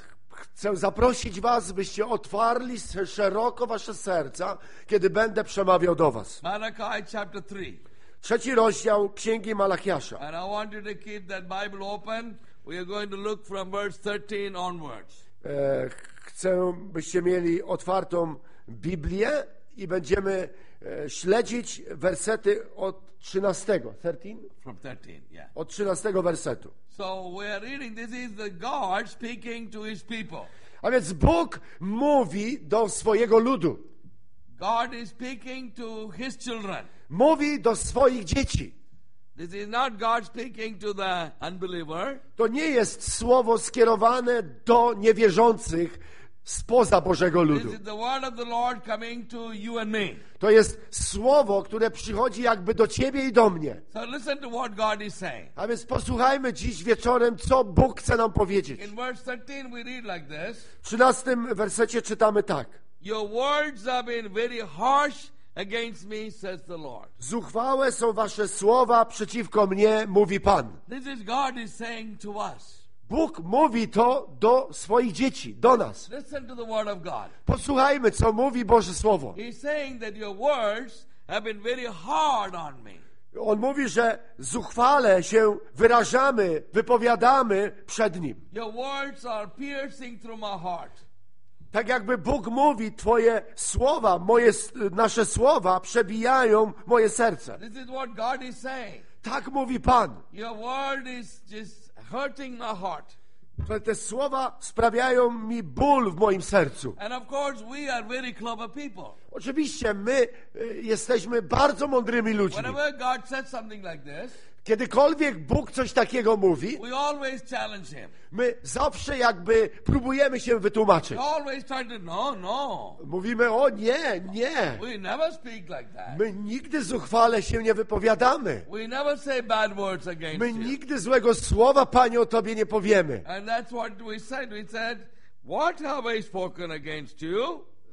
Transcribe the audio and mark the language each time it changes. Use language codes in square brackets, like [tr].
[pl] Chcę zaprosić was, byście otwarli szeroko wasze serca, kiedy będę przemawiał do was. [en] Malachi chapter 3. [pl] Trzeci rozdział Księgi Malachiasza. [en] And I want you to keep that Bible open. We are going to look from verse 13 onwards. [pl] Chcę, byście mieli otwartą Biblię i będziemy śledzić wersety od 13. [en] 13? From 13, yeah. [pl] Od 13 wersetu. [en] So we are reading, this is the God speaking to his people. [pl] A więc Bóg mówi do swojego ludu. [en] God is speaking to his children. [pl] Mówi do swoich dzieci. [en] This is not God speaking to the unbeliever. [pl] To nie jest słowo skierowane do niewierzących spoza Bożego ludu. [en] This is the word of the Lord coming to you and me. [pl] To jest słowo, które przychodzi jakby do ciebie i do mnie. [en] So listen to what God is saying. [pl] A więc posłuchajmy dziś wieczorem, co Bóg chce nam powiedzieć. [en] In verse 13 we read like this. [pl] W 13 wersecie czytamy tak. [en] Your words have been very harsh against me, says the Lord. [pl] Zuchwałe są wasze słowa przeciwko mnie, mówi Pan. [en] This is God is saying to us. [pl] Bóg mówi to do swoich dzieci, do nas. [en] Listen to the word of God. [pl] Posłuchajmy, co mówi Boże Słowo. [en] He's saying that your words have been very hard on me. [pl] On mówi, że zuchwale się wyrażamy, wypowiadamy przed Nim. [en] Your words are piercing through my heart. [pl] Tak jakby Bóg mówi, twoje słowa, moje, nasze słowa przebijają moje serce. [en] This is what God is saying. [pl] Tak mówi Pan. [en] Your word is just hurting my heart. [pl] Te słowa sprawiają mi ból w moim sercu. [en] And of course we are very clever people. [pl] Oczywiście my jesteśmy bardzo mądrymi ludźmi. [en] Whenever God said something like this, [pl] kiedykolwiek Bóg coś takiego mówi, [en] we always challenge him. [pl] My zawsze jakby próbujemy się wytłumaczyć. [en] We always try to, no, no. [pl] Mówimy, o nie, nie. [en] We never speak like that. [pl] My nigdy zuchwale się nie wypowiadamy. [en] We never say bad words against [pl] my nigdy złego słowa, Panie, o Tobie nie powiemy. [en] And that's what we said, what have I spoken against you?